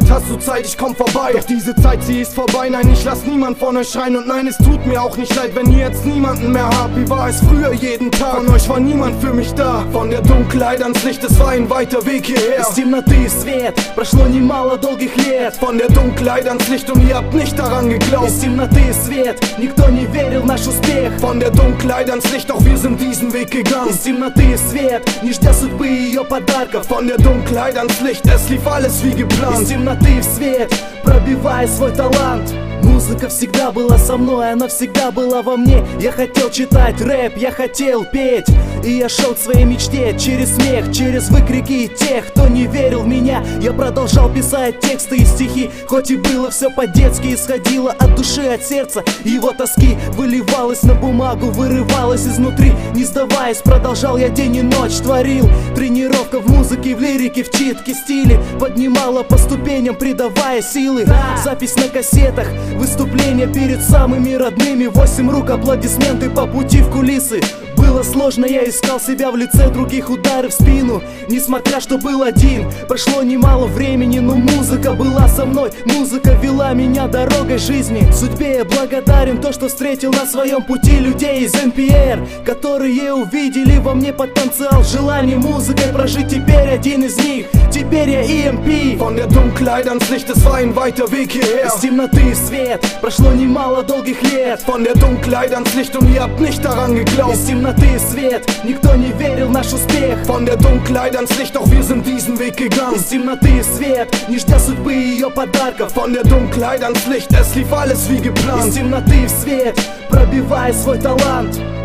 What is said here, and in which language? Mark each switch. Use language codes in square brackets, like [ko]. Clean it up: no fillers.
[de] Mit hast du Zeit, ich komm vorbei, doch diese Zeit, sie ist vorbei. Nein, ich lass niemand von euch schreien. Und nein, es tut mir auch nicht leid, wenn ihr jetzt niemanden mehr habt. Wie war es früher jeden Tag, von euch war niemand für mich da. Von der Dunkelheit ans Licht, es war ein weiter Weg hierher. Ist die Mathe ist wert, [ru] прошло немало долгих лет. [de] Von der Dunkelheit ans Licht und ihr habt nicht daran geglaubt. [ru] Из темноты свет, никто не верил наш успех. [de] Von der Dunkelheit ans Licht, doch wir sind diesen Weg gegangen. [ru] Из темноты свет, не ждя судьбы ее подарков. [de] Von der Dunkelheit ans Licht, es lief alles wie geplant. [ru] Из темноты свет, пробивай свой талант. Музыка всегда была со мной, она всегда была во мне. Я хотел читать рэп, я хотел петь. И я шел к своей мечте через смех, через выкрики тех, кто не верил в меня. Я продолжал писать тексты и стихи, хоть и было все по-детски. Исходило от души, от сердца, его тоски выливалось на бумагу, вырывалось изнутри. Не сдаваясь, продолжал я день и ночь, творил. Тренировка в музыке, в лирике, в читке, стиле поднимала по ступеням, придавая силы. Запись на кассетах, выступление перед самыми родными. 8 рук, аплодисменты по пути в кулисы. Было сложно, я искал себя в лице других, удары в спину. Несмотря, что был один, прошло немало времени. Но музыка была со мной, музыка вела меня дорогой жизни. Судьбе я благодарен то, что встретил на своем пути людей из NPR, которые увидели во мне потенциал, желание музыкой прожить. Теперь один из них, теперь я EMP. [de] Von der Dunkelheit ans Licht, es war ein weiter Weg hierher. [ru] Из темноты в свет, прошло немало долгих лет. [de] Von der Dunkelheit ans Licht und ihr habt nicht daran geglaubt. [ru] Из темноты свет, никто не верил наш успех. [de] Von der Dunkelheit ans Licht, doch wir sind diesen Weg gegangen. [ru] Из темноты свет, не ждя судьбы ее подарков. [de] Von der Dunkelheit ans Licht, es lief alles wie geplant. [ru] Из темноты свет, пробивай свой талант.